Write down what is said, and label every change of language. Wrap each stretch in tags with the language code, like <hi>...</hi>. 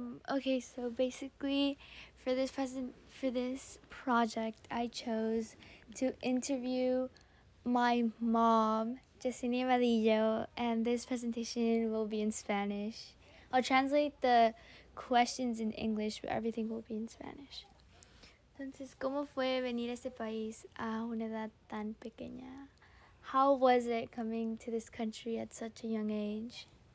<en>Okay, so basically for this project, I chose to interview my mom, Jessenia Melillo, and this presentation will be in Spanish. I'll translate the questions in English, but everything will be in Spanish.</en> <es>Entonces, ¿cómo fue venir a este país a una edad tan pequeña?</es> <en>How was it coming to this country at such a young age?</en>